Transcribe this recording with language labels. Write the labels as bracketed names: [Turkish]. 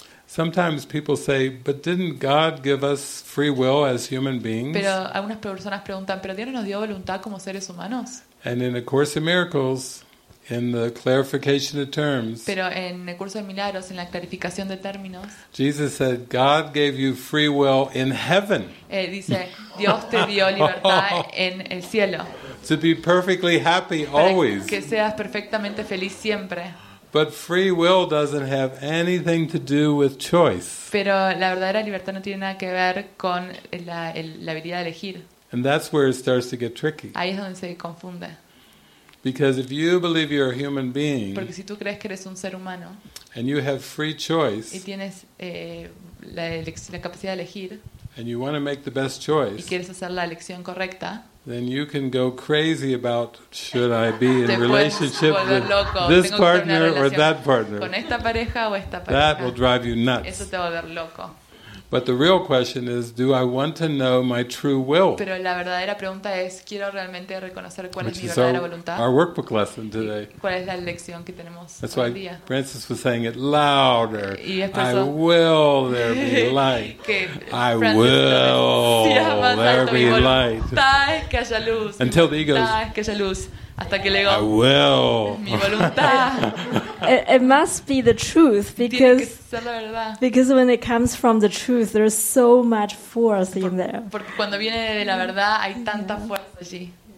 [English] Sometimes people say, "But didn't God give us free will as human beings?" [Spanish] Pero algunas personas preguntan, ¿pero Dios no nos dio voluntad como seres humanos? [English] And in A Course in Miracles, in the clarification of terms. [Spanish] Pero en el curso de milagros, en la clarificación de términos. [English] Jesus said, "God gave you free will in heaven." [Spanish] Dice, Dios te dio libertad en el cielo. [English] To be perfectly happy always. [Spanish] Que seas perfectamente feliz siempre. [English] But free will doesn't have anything to do with choice. [Spanish] Pero la verdadera libertad no tiene nada que ver con la habilidad de elegir. [English] And that's where it starts to get tricky. [Spanish] Ahí es donde se confunde. [English] Because if you believe you're a human being, [Spanish] porque si tú crees que eres un ser humano, [English] and you have free choice, [Spanish] y tienes la capacidad de elegir, [English] and you want to make the best choice, [Spanish] y quieres hacer la elección correcta, [English] then you can go crazy about should I be in relationship with this partner or that partner. [Spanish] Con esta pareja o esta pareja. [English] That will drive you nuts. [Spanish] Eso te va a volver loco. [English] But the real question is, do I want to know my true will? [Spanish] Pero la verdadera pregunta es, ¿quiero realmente reconocer cuál es mi verdadera voluntad? [English] Our workbook lesson today. [Spanish] ¿Cuál es la lección que tenemos hoy día? [English] That's why Francis was saying it louder. I will there be light. I will there be light. [Spanish] Que haya luz. [English] Until the ego. [Spanish] Que haya luz. Hasta que el ego. [English] I will. [Spanish] Mi voluntad. [English] It must be the truth because. Because when it comes from the truth, there's so much force in there. [Spanish] Porque cuando viene de la verdad, hay tanta fuerza allí.